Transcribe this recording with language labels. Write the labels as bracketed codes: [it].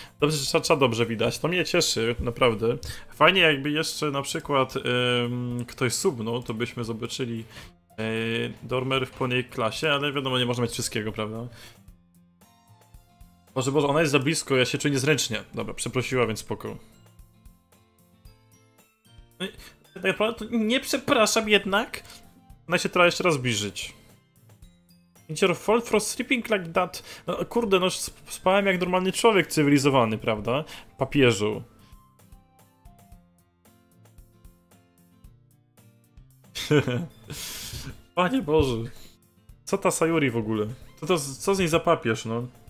[pl] Dobrze, że czacza dobrze widać. To mnie cieszy, naprawdę. Fajnie, jakby jeszcze na przykład ktoś subnął, to byśmy zobaczyli Dormer w pełnej klasie, ale wiadomo, nie można mieć wszystkiego, prawda? Boże, Boże, ona jest za blisko, ja się czuję niezręcznie. Dobra, przeprosiła, więc spoko. Tak naprawdę to nie przepraszam jednak. Ona się trzeba jeszcze raz zbliżyć. [en] Your fault for sleeping like that. [pl] No, kurde, no spałem jak normalny człowiek cywilizowany, prawda? Papieżu. Panie Boże. Co ta Sayori w ogóle? Co z niej za papież, no?